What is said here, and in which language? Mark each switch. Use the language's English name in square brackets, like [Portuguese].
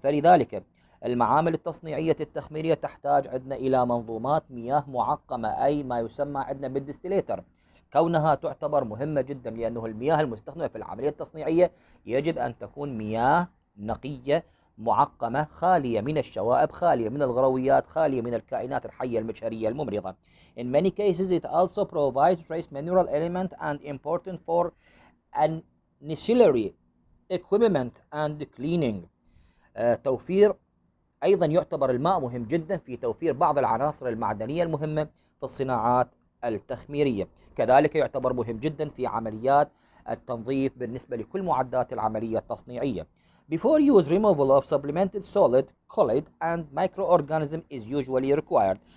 [Arabic] فلذلك المعامل التصنيعية التخميرية تحتاج عندنا إلى منظومات مياه معقمة، أي ما يسمى عندنا بالديستيليتر، كونها تعتبر مهمة جدا لأنه المياه المستخدمة في العملية التصنيعية يجب أن تكون مياه نقية معقمة خالية من الشوائب، خالية من الغرويات، خالية من الكائنات الحية المجهرية الممرضة. [English] In many cases it also provides trace mineral element and important for ancillary equipment and cleaning. [Arabic] توفير أيضا يعتبر الماء مهم جدا في توفير بعض العناصر المعدنية المهمة في الصناعات التخميرية، كذلك يعتبر مهم جدا في عمليات التنظيف بالنسبة لكل معدات العملية التصنيعية. [English] Before use removal of supplemented solid, colloid and microorganism is usually required.